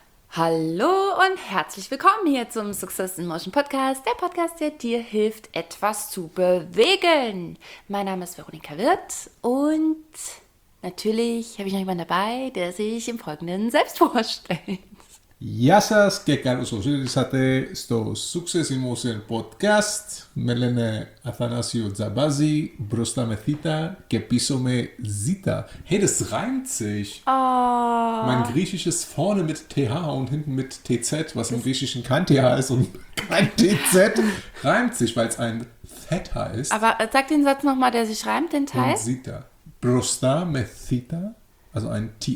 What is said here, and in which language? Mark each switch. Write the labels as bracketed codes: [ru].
[de] Hallo und herzlich willkommen hier zum Success in Motion Podcast, der Podcast, der dir hilft, etwas zu bewegen. Mein Name ist Veronika Wirth und natürlich habe ich noch jemanden dabei, der sich im Folgenden selbst vorstellt. [el] Γεια σας και καλώς ήρθατε στο Success in Motion Podcast. Με λένε Αθανάσιο Τζαμπάζη, μπροστά με θήτα και πίσω με ζήτα. [de] Hey, das reimt sich. Oh. Mein Griechisch ist vorne mit TH und hinten mit TZ, was im Griechischen kein TH ist und kein TZ. Reimt sich, weil es ein Theta ist. Aber sag den Satz nochmal, der sich reimt, den Teil. Und ZITA. [el] Μπροστά με θήτα, [de] also ein TH.